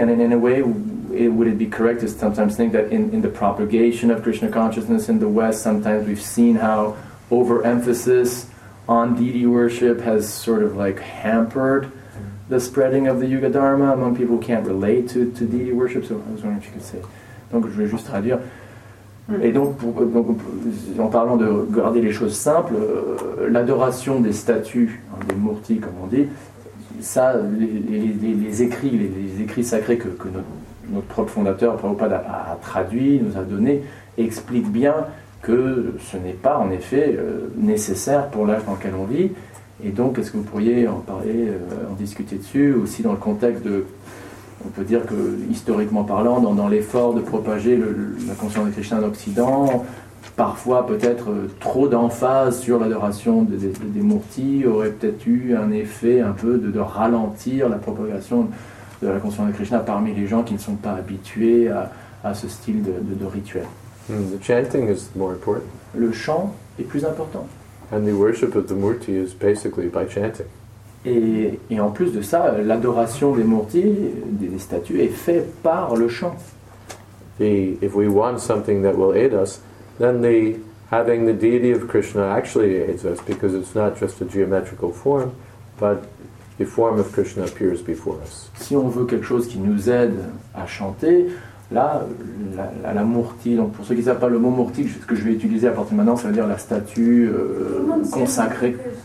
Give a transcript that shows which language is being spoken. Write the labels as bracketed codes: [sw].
[en] And in a way, would it be correct to sometimes think that in the propagation of Krishna consciousness in the West, sometimes we've seen how overemphasis on deity worship has sort of like hampered the spreading of the Yuga Dharma among people who can't relate to deity worship? So I was wondering if you could say. [fr] Donc je vais juste traduire. Et donc, en parlant de garder les choses simples, l'adoration des statues, des murtis, comme on dit, ça, les écrits sacrés que notre propre fondateur, Prabhupada, a traduit, nous a donné, expliquent bien que ce n'est pas, en effet, nécessaire pour l'âge dans lequel on vit. Et donc, est-ce que vous pourriez en parler, en discuter dessus, aussi dans le contexte de... On peut dire que, historiquement parlant, dans l'effort de propager la conscience de Krishna en Occident, parfois peut-être trop d'emphase sur l'adoration des Murtis aurait peut-être eu un effet un peu de ralentir la propagation de la conscience de Krishna parmi les gens qui ne sont pas habitués à ce style de rituel. [en] The chanting is more important. [fr] Le chant est plus important. [en] And the worship of the Murti is basically by chanting. [fr] Et en plus de ça, l'adoration des Murtis, des statues, est faite par le chant. [en] Et if we want something that will aid us, then the having the deity of Krishna actually aids us, because it's not just a geometrical form, but the form of Krishna appears before us. [fr] Si on veut quelque chose qui nous aide à chanter, là, la Murti, donc pour ceux qui ne savent pas le mot Murti, ce que je vais utiliser à partir de maintenant, ça veut dire la statue consacrée.